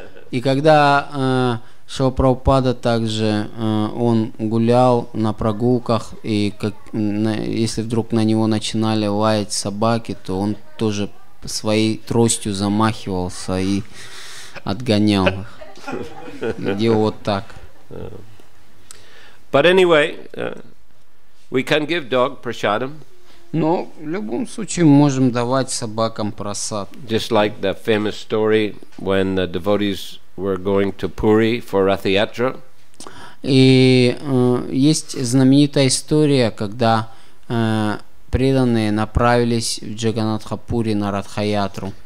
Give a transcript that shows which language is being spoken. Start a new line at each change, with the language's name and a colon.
Russian: И когда Шрила Прабхупада также, он гулял на прогулках, и как, если вдруг на него начинали лаять собаки, то он тоже своей тростью замахивался и отгонял их. Делал вот так.
English: But anyway, we can give dog prasadam.
Russian: Но в любом случае мы можем давать собакам прасад.
English: Just like the famous story when the devotees were going to Puri for Rath Yatra.
Russian: И есть знаменитая история, когда преданные направились в Джаганнатхапури на Ратхаятру.